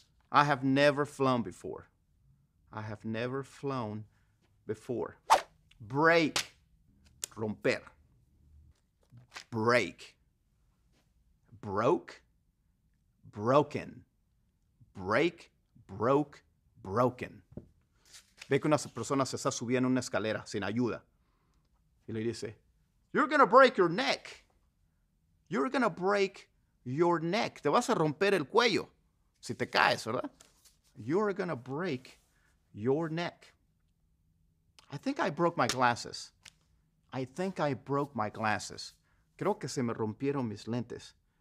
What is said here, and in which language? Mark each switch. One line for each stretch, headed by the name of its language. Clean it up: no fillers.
English: I have never flown before. I have never flown before. Break. Romper. Break. Broke. Broken. Break. Broke. Broken.
Spanish: Ve que una persona se está subiendo una escalera sin ayuda. Y le dice,
English: you're going to break your neck. You're going to break your neck.
Spanish: Te vas a romper el cuello si te caes, ¿verdad?
English: You're going to break your neck. I think I broke my glasses. I think I broke my glasses.
Spanish: Creo que se me rompieron mis lentes.